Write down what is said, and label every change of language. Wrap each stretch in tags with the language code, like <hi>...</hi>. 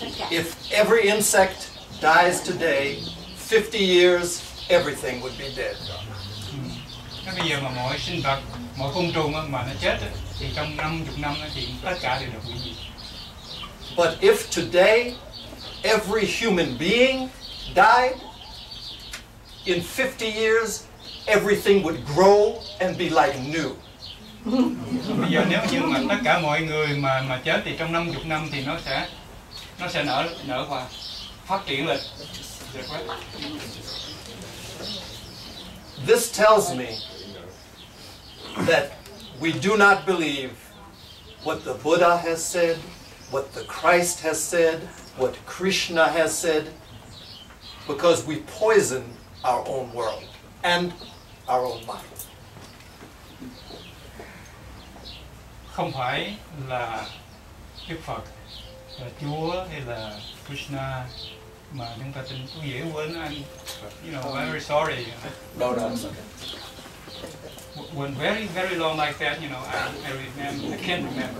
<en>If every insect dies today, 50 years everything would be dead.</en> <vi>Cái bây giờ mà mỗi sinh vật, mỗi côn trùng mà nó chết thì trong 50 năm thì tất cả đều được hủy diệt.</vi> <en>But if today every human being died, in 50 years everything would grow and be like new.</en> <vi>Bây giờ nếu như mà tất cả mọi người mà chết thì trong 50 năm thì nó sẽ nở và phát triển lên.</vi> <en>This tells me that we do not believe what the Buddha has said, what the Christ has said, what Krishna has said, because we poison our own world and our own mind.</en> <vi>Không phải là Đức Phật, là Chúa hay là Krishna mà chúng ta tin, tôi dễ quên anh.</vi> <en>You know, very sorry. No, it's okay. When very, very long like that, you know, I can't remember.</en>